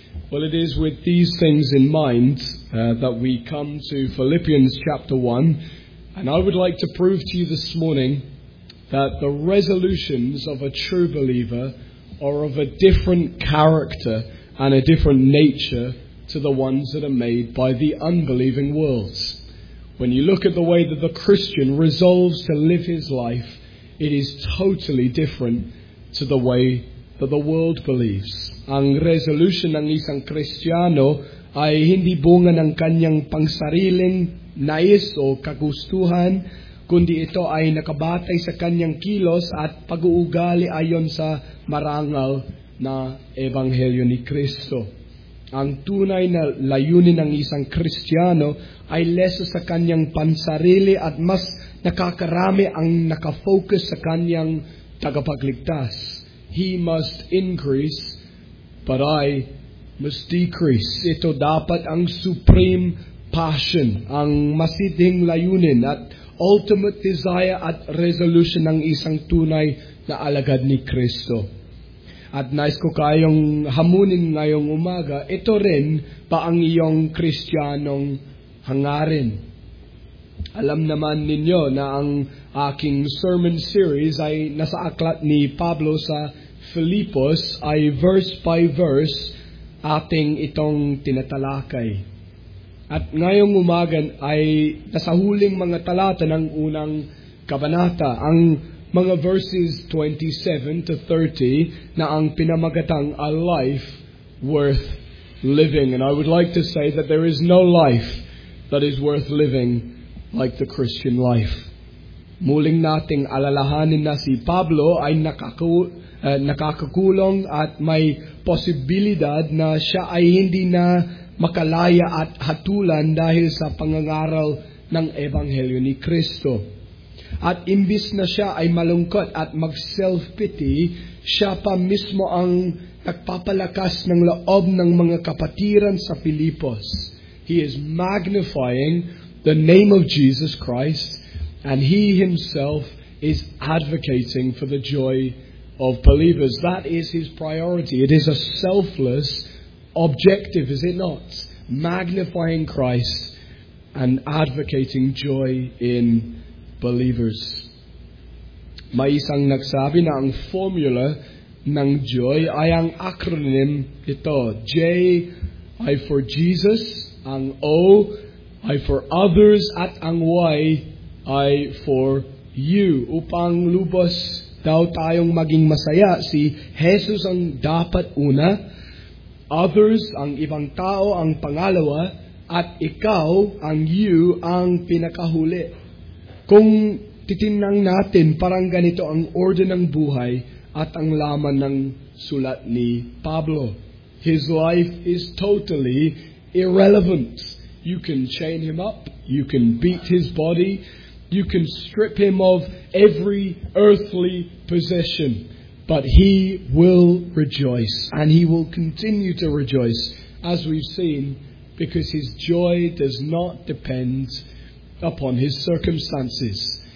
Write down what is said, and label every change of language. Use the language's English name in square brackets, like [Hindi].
[English] Well, it is with these things in mind that we come to Philippians chapter 1, and I would like to prove to you this morning that the resolutions of a true believer are of a different character and a different nature to the ones that are made by the unbelieving worlds. When you look at the way that the Christian resolves to live his life, it is totally different to the way that the world believes. [Filipino] Ang resolution ng isang Kristiyano ay hindi bunga ng kanyang pangsariling nais o kagustuhan, kundi ito ay nakabatay sa kanyang kilos at pag-uugali ayon sa marangal na Ebanghelyo ni Kristo. Ang tunay na layunin ng isang Kristiyano ay lesa sa kanyang pansarili at mas nakakarami ang nakafocus sa kanyang tagapagligtas. [English] He must increase, but I must decrease. [Filipino] Ito dapat ang [English] supreme passion, [Filipino] ang masidhing layunin at ultimate desire at resolution ng isang tunay na alagad ni Kristo. At nais ko kayong hamunin ngayong umaga, ito rin pa ang iyong Kristiyanong hangarin. Alam naman ninyo na ang aking sermon series ay nasa aklat ni Pablo sa Filipos ay [English] verse by verse [Filipino] ating itong tinatalakay. At ngayong umaga ay nasa huling mga talata ng unang kabanata, ang mga verses 27 to 30 na ang pinamagatang [English] a life worth living. And I would like to say that there is no life that is worth living like the Christian life. [Filipino] Muling nating alalahanin na si Pablo ay nakakakulong at may posibilidad na siya ay hindi na makalaya at hatulan dahil sa pangangaral ng Ebanghelyo ni Kristo. At imbis na siya ay malungkot at mag-self-pity, siya pa mismo ang nagpapalakas ng loob ng mga kapatiran sa Filipos. [English] He is magnifying the name of Jesus Christ, and he himself is advocating for the joy of believers. That is his priority. It is a selfless objective, is it not? Magnifying Christ and advocating joy in believers. [Filipino] May isang nagsabi na ang formula ng joy ay ang acronym ito. J ay for Jesus, ang O ay for others, at ang Y ay for you. Upang lubos daw tayong maging masaya, si Jesus ang dapat una, others, ang ibang tao, ang pangalawa, at ikaw, ang you, ang pinakahuli. Kung titingnan natin, parang ganito ang order ng buhay at ang laman ng sulat ni Pablo. [English] His life is totally irrelevant. You can chain him up, you can beat his body, you can strip him of every earthly possession, but he will rejoice, and he will continue to rejoice, as we've seen, because his joy does not depend upon his circumstances.